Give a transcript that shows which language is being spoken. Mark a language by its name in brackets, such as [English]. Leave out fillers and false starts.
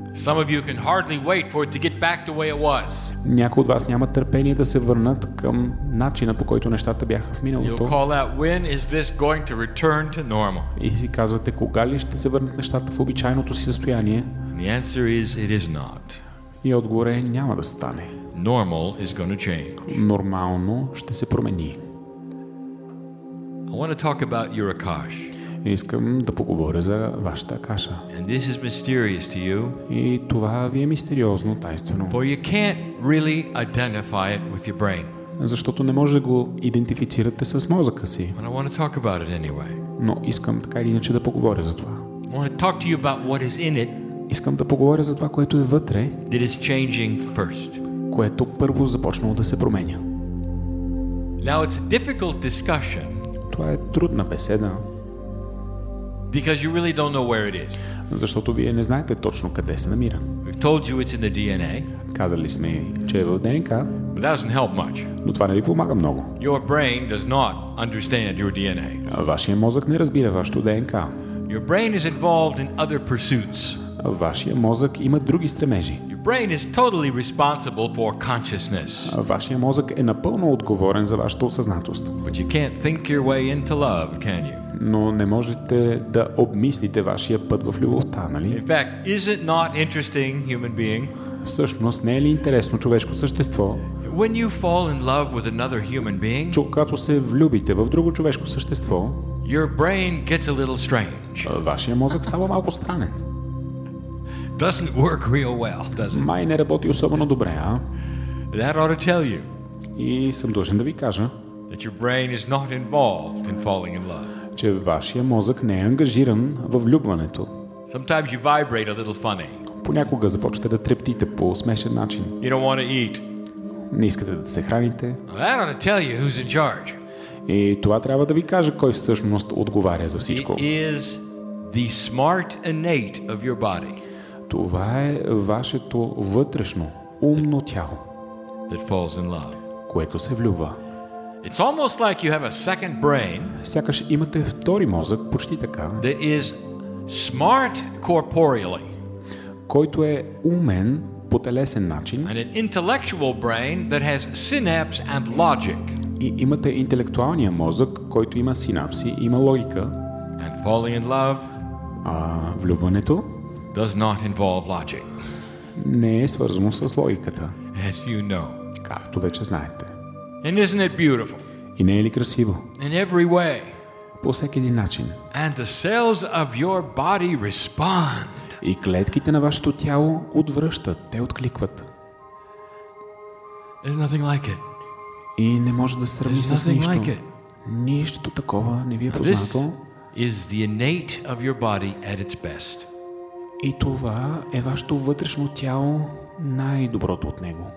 [English] Some of you can hardly wait for it to get back the way it was. [Bulgarian] Някои от вас нямат търпение да се върнат към начина, по който нещата бяха в миналото. [English] You'll call out, when is this going to return to normal? [Bulgarian] И си казвате, кога ли ще се върнат нещата в обичайното си състояние? [English] And the answer is, it is not. [Bulgarian] И отговор е, няма да стане. [English] Normal is going to change. [Bulgarian] Нормално ще се промени. [English] I want to talk about your Akash. [Bulgarian] Искам да поговоря за вашата Акаша. [English] And this is mysterious to you. [Bulgarian] И това ви е мистериозно, тайнствено. [English] For you can't really identify it with your brain. [Bulgarian] Защото не може да го идентифицирате с мозъка си. [English] But I want to talk about it anyway. [Bulgarian] Но искам така или иначе да поговоря за това. [English] I want to talk to you about what is in it. [Bulgarian] Искам да поговоря за това, което е вътре. [English] That is changing first. [Bulgarian] Което първо започнало да се променя. [English] Now it's a difficult discussion. [Bulgarian] Това е трудна беседа. [English] Because you really don't know where it is. [Bulgarian] Защото вие не знаете точно къде се намира. [English] We've told you it's in the DNA. [Bulgarian] Казали сме, че е в ДНК. [English] But that doesn't help much. [Bulgarian] Но това не ви помага много. [English] Your brain does not understand your DNA. [Bulgarian] Вашия мозък не разбира вашето ДНК. [English] Your brain is involved in other pursuits. [Bulgarian] Вашия мозък има други стремежи. [English] Your brain is totally responsible for consciousness. [Bulgarian] Вашия мозък е напълно отговорен за вашата осъзнатост. [English] But you can't think your way into love, can you? [Bulgarian] Но не можете да обмислите вашия път в любовта, нали? [English] In fact, is it not interesting, human being? [Bulgarian] Всъщност не е ли интересно човешко същество? [English] When you fall in love with another human being, [Bulgarian] когато се влюбите в друго човешко същество, [English] your brain gets a little strange. [Bulgarian] Вашия мозък става малко странен. [English] Doesn't work real well, does it? [Bulgarian] Май не работи особено добре, а? [English] That ought to tell you. [Bulgarian] И съм дължен да ви кажа, [English] that your brain is not involved in falling in love. [Bulgarian] Че вашия мозък не е ангажиран в влюбването. [English] Sometimes you vibrate a little funny. [Bulgarian] Понякога започвате да трептите по смешен начин. [English] You don't want to eat. [Bulgarian] Не искате да се храните. [English] That ought to tell you who's in charge. [Bulgarian] И това трябва да ви каже кой всъщност отговаря за всичко. [English] It is the smart innate of your body. [Bulgarian] Това е вашето вътрешно, умно тяло. [English] That falls in love. [Bulgarian] Което се влюбва. [English] It's almost like you have a second brain. [Bulgarian] Сякаш имате втори мозък, почти така. [English] That is smart corporeally. [Bulgarian] Който е умен по телесен начин. [English] And an intellectual brain that has synapse and logic. [Bulgarian] И имате интелектуалния мозък, който има синапси, има логика. [English] And falling in love. [Bulgarian] А влюбването? [English] Does not involve logic. [Bulgarian] Не е свързано с логиката. [English] As you know. [Bulgarian] Както вече знаете. [English] And isn't it beautiful? [Bulgarian] И не е ли красиво? [English] In every way. [Bulgarian] По всеки един начин. [English] And the cells of your body respond. [Bulgarian] И клетките на вашето тяло отвръщат, те откликват. [English] There's nothing like it. [Bulgarian] И не може да се сравни с нищо. [English] Like [Bulgarian] нищо такова не ви е познато. [English] This is the innate of your body at its best. [Bulgarian] И това е вашето вътрешно тяло, най-доброто от него.